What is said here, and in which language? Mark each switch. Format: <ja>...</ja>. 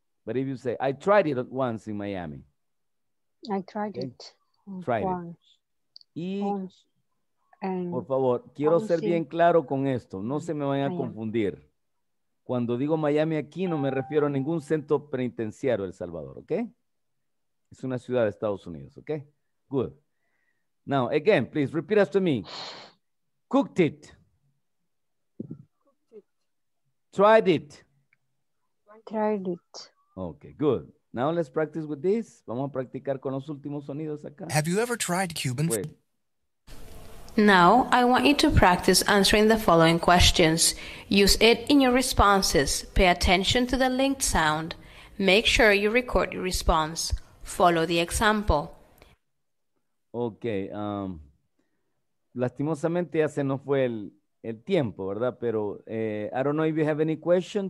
<en>But if you say, I tried it once in Miami. I tried it once.</en> <es>Por favor, quiero ser bien claro con esto. No se me vayan a confundir. Cuando digo Miami aquí, no me refiero a ningún centro penitenciario de El Salvador, ¿ok? Es una ciudad de Estados Unidos,</es> <en>¿ok? Good. Now, again, please repeat after me. Cooked it. Tried it. Tried it. Okay, good. Now let's practice with this.</en> <es>Vamos a practicar con los últimos sonidos acá.</es> <en>Have you ever tried Cuban food? Now, I want you to practice answering the following questions. Use it in your responses. Pay attention to the linked sound. Make sure you record your response. Follow the example. Okay.</en> <es>Lastimosamente, ya se nos fue el tiempo, ¿verdad?</es> <en>Pero, I don't know if you have any question.</en>